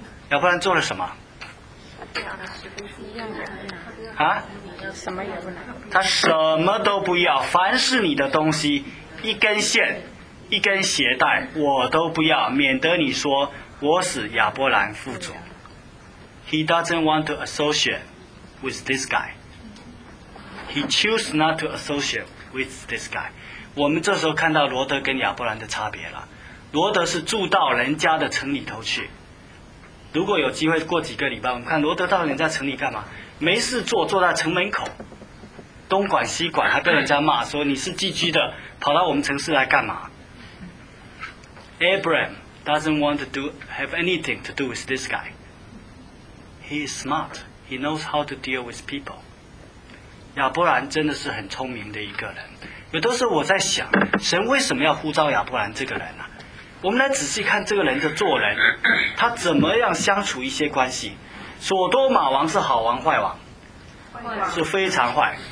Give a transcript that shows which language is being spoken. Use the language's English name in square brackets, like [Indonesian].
[Chinese] 亚伯兰做了什么？啊？什么也不拿。他什么都不要，凡是你的东西，一根线、一根鞋带，我都不要，免得你说我是亚伯兰富足。 [English] He doesn't want to associate with this guy. He choose not to associate with this guy. [Chinese] 我们这时候看到罗德跟亚伯兰的差别了。罗德是住到人家的城里头去。如果有机会过几个礼拜，我们看罗德到人家城里干嘛？没事做，坐在城门口，东管西管，还被人家骂说你是寄居的，跑到我们城市来干嘛？ [English] Abraham doesn't want to have anything to do with this guy. He is smart. He knows how to deal with people. [Chinese] 亚伯兰真的是很聪明的一个人。有的时候我在想，神为什么要呼召亚伯兰这个人呢？我们来仔细看这个人的做人，他怎么样相处一些关系。索多玛王是好王坏王？是非常坏。